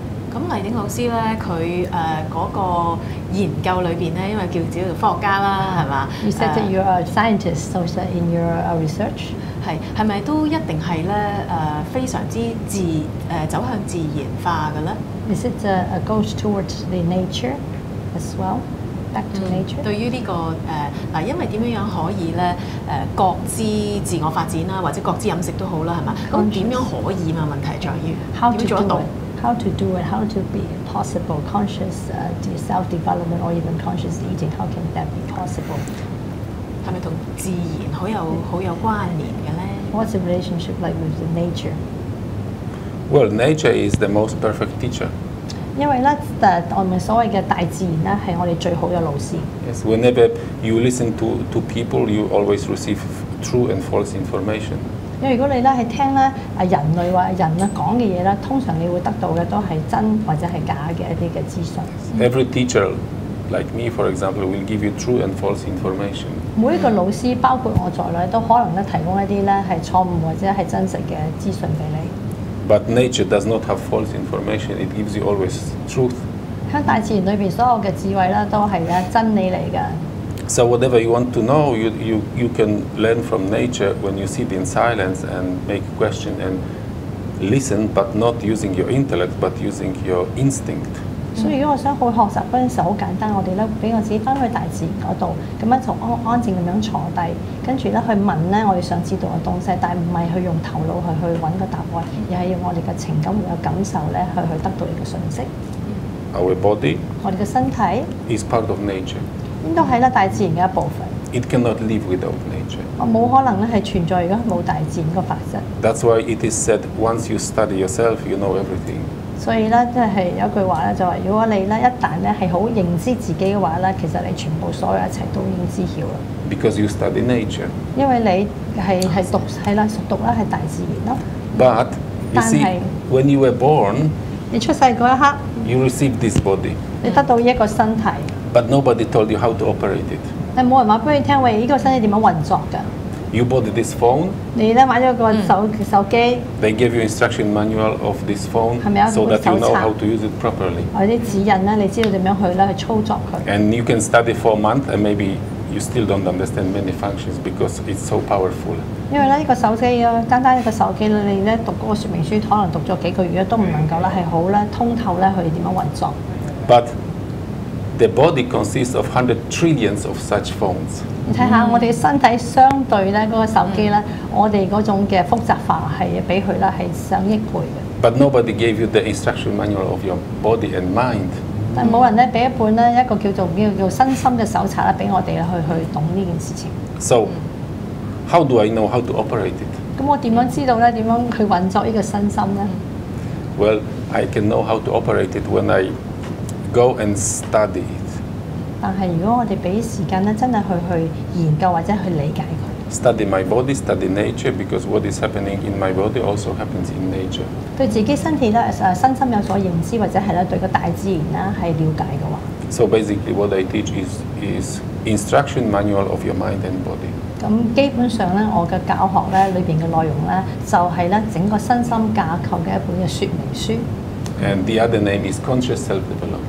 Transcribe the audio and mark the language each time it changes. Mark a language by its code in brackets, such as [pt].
[yue] 咁黎鼎老師咧，佢嗰個研究裏邊咧，因為叫自己做科學家啦，係嘛 [en] ？You said that you're a scientist, so is that in your research? [yue] 係咪都一定係咧？非常之自走向自然化嘅咧 [en] ？Is it a goes towards the nature as well? Back to nature。 [yue] 對於呢、這個因為點樣可以咧覺知自我發展啦，或者覺知飲食都好啦，係嘛？咁點樣可以嘛？問題在於點樣做得到 [en] ？How to do it? How to be possible? Conscious self development or even conscious eating? How can that be possible? [yue] 係咪同自然好有關聯嘅咧 [en] ？What's the relationship like with the nature? Well, nature is the most perfect teacher. [yue] 因為咧，我哋所謂嘅大自然咧，係我哋最好嘅老師。 [en] Yes, whenever you listen to people, you always receive true and false information. [yue] 因為如果你咧係聽咧人類或人啊講嘅嘢咧，通常你會得到嘅都係真或者係假嘅一啲嘅資訊。 [en] Every teacher, like me, for example, will give you true and false information. [yue] 每一個老師，包括我在內，都可能提供一啲咧係錯誤或者係真實嘅資訊俾你。 [en] But nature does not have false information; it gives you always truth. [yue] 喺大自然裏邊，所有嘅智慧咧都係真理嚟嘅。 [en] So whatever you want to know, you can learn from nature when you sit in silence and make a question and listen, but not using your intellect, but using your instinct. [yue] 所以如果我想去學習嗰陣時候，好簡單，我哋咧俾我自己翻去大自然嗰度，咁樣就安靜咁樣坐低，跟住咧去問咧我哋想知道嘅東西，但係唔係去用頭腦去揾個答案，而係用我哋嘅情感同埋感受咧去得到一個信息。 [en] Our body， [yue] 我哋嘅身體 [en] ，is part of nature， [yue] 應該係咧大自然嘅一部分。 [en] It cannot live without nature。 [yue] 我冇可能咧係存在如果冇大自然個法則。 [en] That's why it is said once you study yourself, you know everything。 [yue] 所以咧，即係有一句話咧，就話如果你咧一旦咧係好認知自己嘅話咧，其實你全部所有一切都已經知曉啦。 [en] Because you study nature。 [yue] 因為你係讀係啦，熟讀啦，係大自然咯。 [en] But you see, when you were born， [yue] 你出世嗰一刻 [en] ，you receive this body。 [yue] 你得到一個身體。 [en] But nobody told you how to operate it。 [yue] 但冇人話俾你聽，喂，依個身體點樣運作㗎？ [en] You bought this phone. [yue] 你咧買咗個手機。 [en] They gave you instruction manual of this phone, so that you know how to use it properly. [yue] 或者指引咧，你知道點樣去操作佢。 [en] And you can study for a month, and maybe you still don't understand many functions because it's so powerful. [yue] 因為咧，個手機啊，單單一個手機咧，你咧讀嗰個說明書，可能讀咗幾個月都唔能夠咧係好咧通透咧去點樣運作。 [en] But the body consists of 100 trillions of such phones. [yue] 你睇下我哋身體相對咧嗰個手機咧，我哋嗰種嘅複雜化係比佢咧係上億倍嘅。 [en] But nobody gave you the instruction manual of your body and mind。 [yue] 但冇人咧俾一本咧一個叫做身心嘅手冊咧俾我哋去懂呢件事情。 [en] So how do I know how to operate it？ [yue] 咁我點樣知道咧？點樣去運作呢個身心咧 [en] ？Well, I can know how to operate it when I go and study. [yue] 但係如果我哋俾時間咧，真係去研究或者去理解佢。 [en] Study my body, study nature, because what is happening in my body also happens in nature. [yue] 對自己身體咧，身心有所認知，或者係咧對個大自然咧係瞭解嘅話。 [en] So basically, what I teach is instruction manual of your mind and body. [yue] 咁基本上咧，我嘅教學咧裏邊嘅內容咧，就係咧整個身心架構嘅一本嘅說明書。 [en] And the other name is conscious self-development.